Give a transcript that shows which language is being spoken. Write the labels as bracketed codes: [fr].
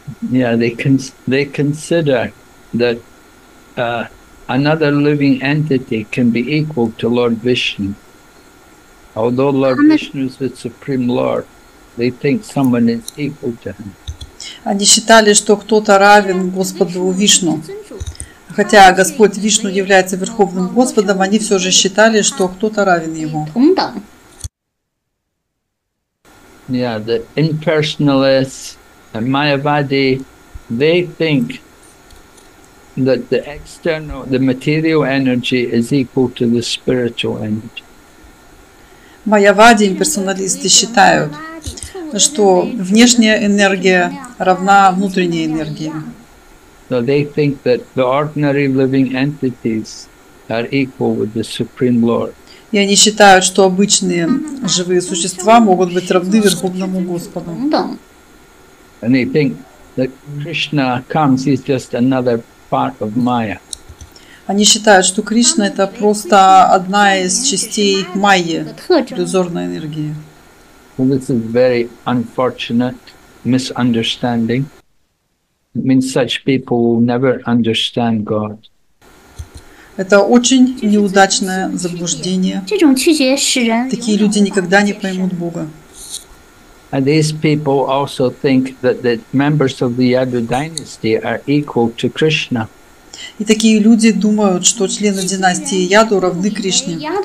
[en] Yeah, they consider that another living entity can be equal to Lord Vishnu. Although Lord Vishnu is the Supreme Lord, they think someone is equal to him. [ru] Они считали, что кто-то равен Господу Вишну. Хотя Господь Вишну является Верховным Господом, они все же считали, что кто-то равен Ему. [en] Yeah, the impersonalists and Mayavadi, they think that the external, the material energy is equal to the spiritual energy. [ru] Майявади имперсоналисты считают, что внешняя энергия равна внутренней энергии. [en] So they think that the ordinary living entities are equal with the Supreme Lord. [ru] И они считают, что обычные живые существа могут быть равны Верховному Господу. [en] And they think that Krishna comes, he's just another part of Maya. [ru] Они считают, что Кришна — это просто одна из частей Майи, иллюзорной энергии. [en] Well, this is very unfortunate misunderstanding. It means such people will never understand God. [ru] Это очень неудачное заблуждение. Такие люди никогда не поймут Бога. [en] And these people also think that the members of the Yadu dynasty are equal to Krishna. [ru] И такие люди думают, что члены династии Яду равны Кришне.